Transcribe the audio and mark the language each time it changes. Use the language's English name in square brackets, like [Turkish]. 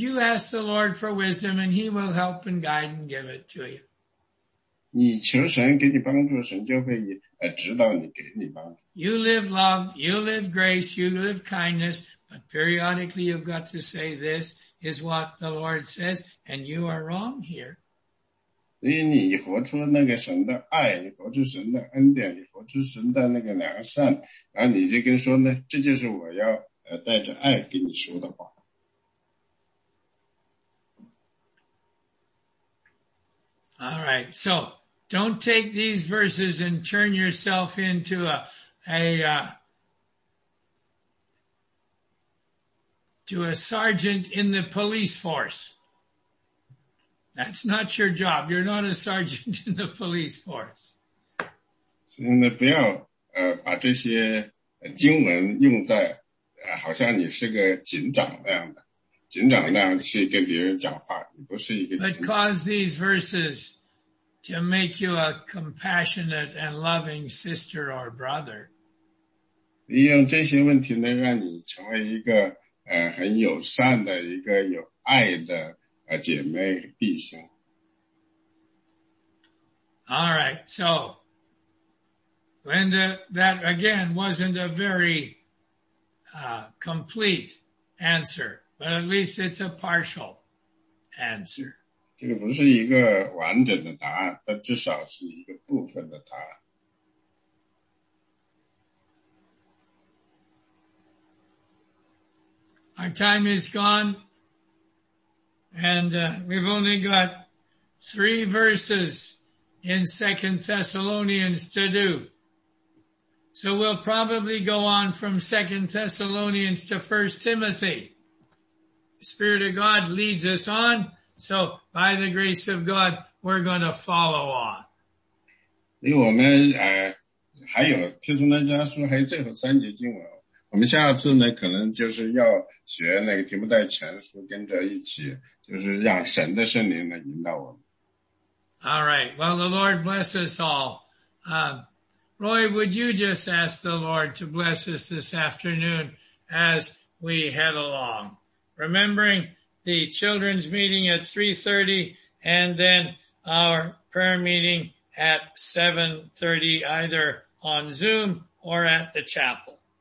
[English] you ask the Lord for wisdom, and He will help and guide and give it to you. [Chinese] 你求神给你帮助，神就会指导你，给你帮助。 [English] You live love, you live grace, you live kindness, but periodically you've got to say this is what the Lord says, and you are wrong here. [Chinese] 所以你活出那个神的爱，你活出神的恩典，你活出神的那个良善，然后你就跟说呢，这就是我要带着爱给你说的话。 [English] All right, so don't take these verses and turn yourself into a sergeant in the police force. That's not your job. You're not a sergeant in the police force. [Chinese] 所以呢，不要把这些经文用在好像你是个警长那样的，警长那样去跟别人讲话，你不是一个警长。 [English] But cause these verses to make you a compassionate and loving sister or brother. [Chinese] 利用这些问题呢，让你成为一个很友善的一个有爱的姐妹弟兄。 [English] All right, so Linda, that again wasn't a very complete answer, but at least it's a partial answer. [Chinese] 这个不是一个完整的答案，但至少是一个部分的答案。 [English] Our time is gone, and we've only got 3 verses in 2 Thessalonians to do. So we'll probably go on from 2 Thessalonians to 1 Timothy. The Spirit of God leads us on, so by the grace of God, we're going to follow on. [Chinese] 因为我们还有提升的家书还有最后三节经文，我们下次呢可能就是要学那个提摩太前书，跟着一起就是让神的圣灵来引导我们。 [English] All right. Well, the Lord bless us all. Roy, would you just ask the Lord to bless us this afternoon as we head along, remembering the children's meeting at 3:30 and then our prayer meeting at 7:30, either on Zoom or at the chapel.